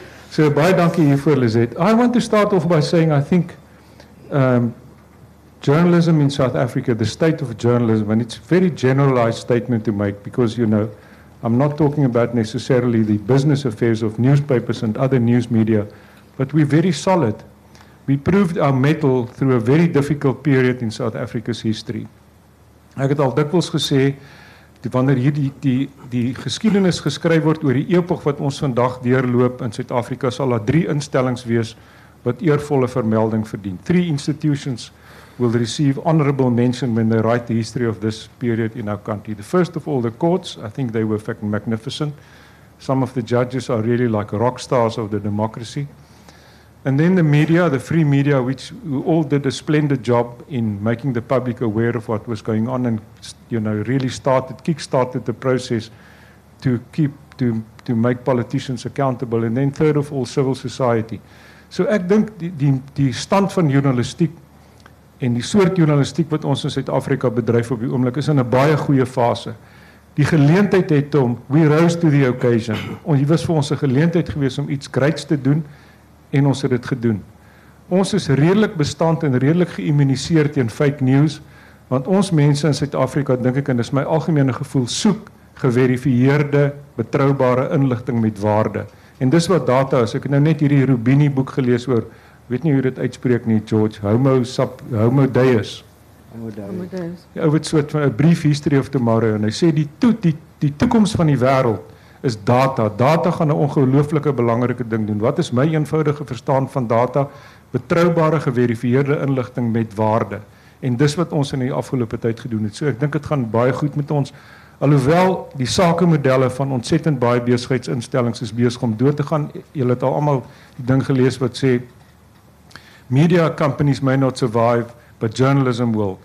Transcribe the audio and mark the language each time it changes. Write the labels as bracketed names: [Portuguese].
[English] So, [Afrikaans] baie dankie hiervoor, [English] Lizet. I want to start off by saying I think journalism in South Africa, the state of journalism, and it's a very generalized statement to make because, you know, I'm not talking about necessarily the business affairs of newspapers and other news media, but we're very solid. We proved our mettle through a very difficult period in South Africa's history. [Afrikaans] Ek het al dikwels gesê, wanneer hier die geskiedenis geskryf word oor die epoch wat ons vandag deurloop in Suid-Afrika, sal daar drie instellings wees wat eervolle vermelding verdien. [English] Three institutions will receive honorable mention when they write the history of this period in our country. The first of all, the courts, I think they were magnificent. Some of the judges are really like rock stars of the democracy. And then the media, the free media, which all did a splendid job in making the public aware of what was going on and, you know, really started, kick-started the process to keep, to make politicians accountable. And then third of all, civil society. [Afrikaans] So ek dink die stand van journalistiek en die soort journalistiek wat ons in Suid-Afrika bedryf op die oomblik is in 'n baie goeie fase. Die geleentheid het om, [English] we rose to the occasion. [Afrikaans] Ons was vir ons 'n geleentheid gewees om iets groots te doen en ons het dit gedoen. Ons is redelik bestand en redelik geïmmuniseer teen fake news, want ons mense in Suid-Afrika, dink ek en dis my algemene gevoel, soek geverifieerde, betroubare inligting met waarde. En dis wat data is. Ek het nou net hierdie Rubini boek gelees oor, weet nie hoe dit uitspreek nie, George, Homo Deus. Die ou het soort van 'n brief history of tomorrow, en hy sê die toekoms van die wêreld is data. Data gaan 'n ongelooflike belangrike ding doen. Wat is my eenvoudige verstaan van data? Betroubare, geverifieerde inligting met waarde. En dis wat ons in die afgelope tyd gedoen het. So ek dink dit gaan baie goed met ons. Alhoewel die sakemodelle van ontsettend baie besigheidsinstellings is besig om dood te gaan. Julle het almal die ding gelees wat sê [English] media companies may not survive, but journalism will.